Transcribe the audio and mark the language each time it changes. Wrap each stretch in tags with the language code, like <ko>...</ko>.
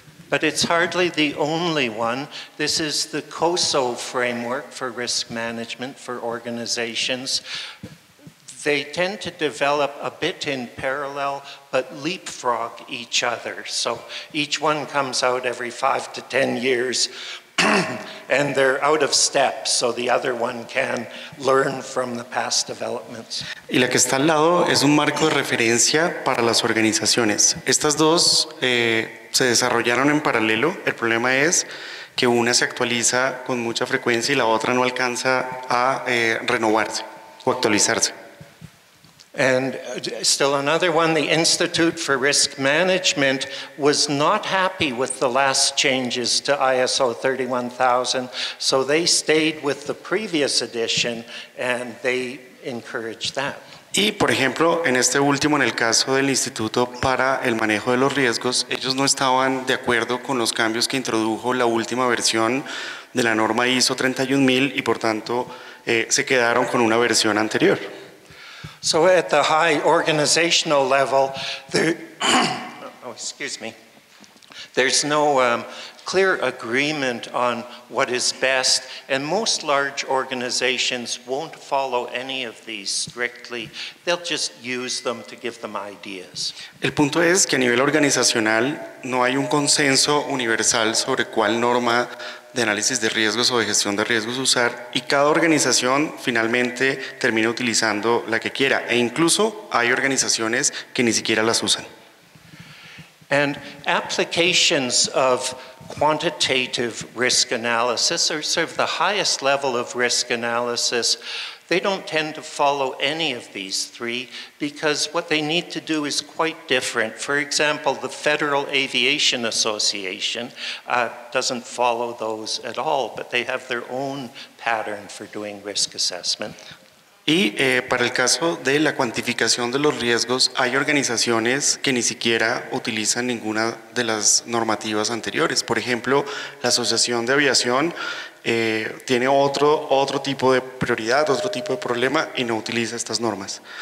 <en>But it's hardly the only one. This is the COSO framework for risk management for organizations. They tend to develop a bit in parallel, but leapfrog each other. So each one comes out every 5 to 10 years, and they're out of step, so the other one can learn from the past developments.</en> <es>Y la que está al lado es un marco de referencia para las organizaciones. Estas dos se desarrollaron en paralelo. El problema es que una se actualiza con mucha frecuencia y la otra no alcanza a renovarse o actualizarse.</es> <en>And still another one, the Institute for Risk Management was not happy with the last changes to ISO 31000, so they stayed with the previous edition and they encouraged that.</en> <es>Y por ejemplo, en este último, en el caso del Instituto para el Manejo de los Riesgos, ellos no estaban de acuerdo con los cambios que introdujo la última versión de la norma ISO 31000 y por tanto se quedaron con una versión anterior.</es> <en>So at the high organizational level, oh, excuse me. There's no clear agreement on what is best, and most large organizations won't follow any of these strictly. They'll just use them to give them ideas.</en> <es>El punto es que a nivel organizacional no hay un consenso universal sobre cuál norma de análisis de riesgos o de gestión de riesgos usar, y cada organización finalmente termina utilizando la que quiera, e incluso hay organizaciones que ni siquiera las usan.</es> <en>And applications of quantitative risk analysis, or sort of the highest level of risk analysis, they don't tend to follow any of these three because what they need to do is quite different. For example, the Federal Aviation Association doesn't follow those at all, but they have their own pattern for doing risk assessment.</en> <es>Y para el caso de la cuantificación de los riesgos, hay organizaciones que ni siquiera utilizan ninguna de las normativas anteriores. Por ejemplo, la Asociación de Aviación tiene otro tipo de prioridad, otro tipo de problema, y no utiliza estas normas.</es>